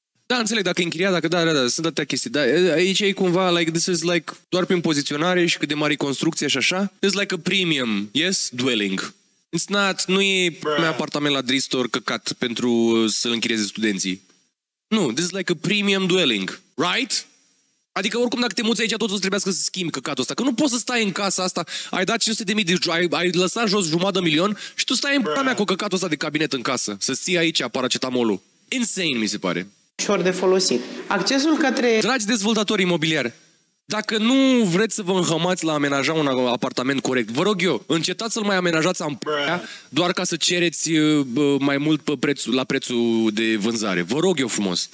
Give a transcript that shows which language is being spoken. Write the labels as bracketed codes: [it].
[ro] Da, înțeleg, dacă e închiriat, dacă da, sunt atâtea chestii. Da, aici e cumva, [en] like, this is like, [ro] doar prin poziționare și cât de mare construcție și așa, [en] it's like a premium, yes, dwelling. It's not, [ro] nu e primul apartament la Dristor căcat pentru să-l închirieze studenții. [en] Nu, this is like a premium dwelling, right? [ro] Adică oricum dacă te muți aici, tot o să trebuiască să schimbi căcatul ăsta. Că nu poți să stai în casa asta, ai dat 500.000 de euro, ai lăsat jos jumătate milion și tu stai în pula mea cu căcatul ăsta de cabinet în casă. Să ții aici paracetamolul. Insane, mi se pare. Ușor de folosit. Accesul către... Dragi dezvoltatori imobiliari, dacă nu vreți să vă înhămați la amenaja un apartament corect, vă rog eu, încetați să-l mai amenajați ampulea doar ca să cereți mai mult pe prețul, la prețul de vânzare. Vă rog eu frumos.